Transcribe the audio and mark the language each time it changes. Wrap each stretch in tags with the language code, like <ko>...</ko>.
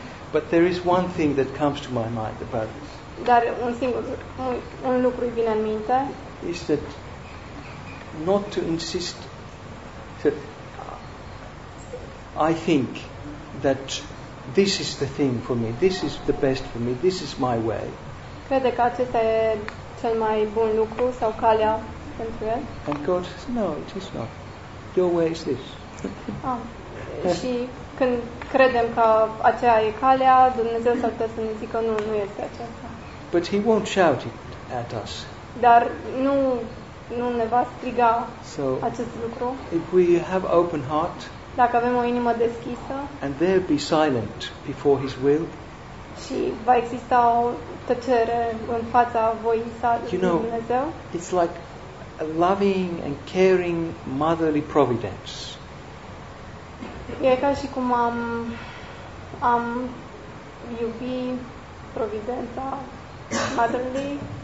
<en>But there is one thing that comes to my mind about this.</en> <ro>Dar un singur un lucru îmi vine în minte.</ro> <en>Is that not to insist that I think that this is the thing for me, this is the best for me, this is my way.</en> <ro>Crede că acesta e cel mai bun lucru sau calea pentru el?</ro> <en>And God says, no, it is not. Your way is this.</en> <ro>Și când credem că aceea e calea, Dumnezeu s-ar putea să ne zică nu, nu este aceasta.</ro> <en>But He won't shout it at us.</en> <ro>Dar nu ne va striga so, acest lucru.</ro> <en>If we have open heart,</en> <ro>dacă avem o inimă deschisă,</ro> <en>and there be silent before His will,</en> <ro>și va exista o tăcere în fața voii sale,</ro> <en>you know,</en> <ro>Dumnezeu.</ro> <en>It's like a loving and caring motherly providence.</en> <ro>E ca și cum am iubi providența motherly.</ro>